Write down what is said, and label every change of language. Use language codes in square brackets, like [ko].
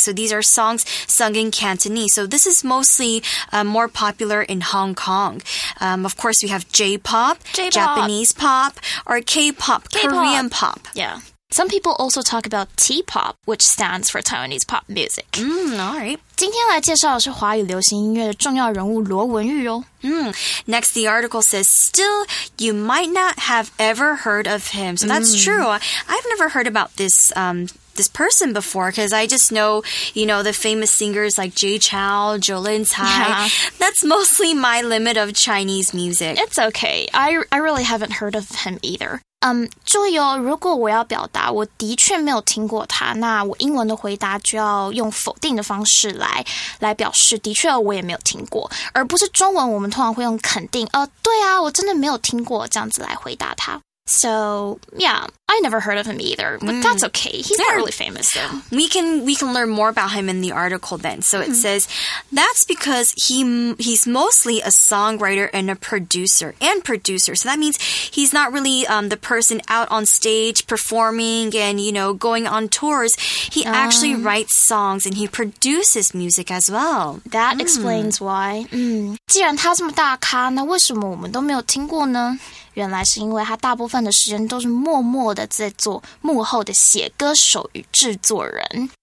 [en] So these are songs sung in Cantonese. So this is mostly more popular in Hong Kong. Of course, we have J-pop. Japanese pop, or K-pop. Korean pop. Yeah. Some people also talk about T-pop, which stands for Taiwanese pop music. All right. [zh] 今天来介绍的是华语流行音乐的重要人物罗文玉哦。 [en] Next, the article says, still, you might not have ever heard of him. So that's true. I've never heard about this, this person before, because I just know, you know, the famous singers like Jay Chou, Jolin Tsai. Yeah. That's mostly my limit of Chinese music. It's okay. I really haven't heard of him either. [zh] 注意哦，如果我要表达我的确没有听过他，那我英文的回答就要用否定的方式来表示的确我也没有听过，而不是中文我们通常会用肯定，对啊，我真的没有听过这样子来回答他。 [en] So, yeah, I never heard of him either, but that's okay. He's not really famous, though. We can learn more about him in the article then. So it says, that's because he's mostly a songwriter and a producer. So that means he's not really the person out on stage performing and, you know, going on tours. He actually writes songs and he produces music as well. That explains why. [zh] 既然他这么大咖，那为什么我们都没有听过呢？原来是因为他大部分的时间都是默默的在做幕后的写歌手与制作人。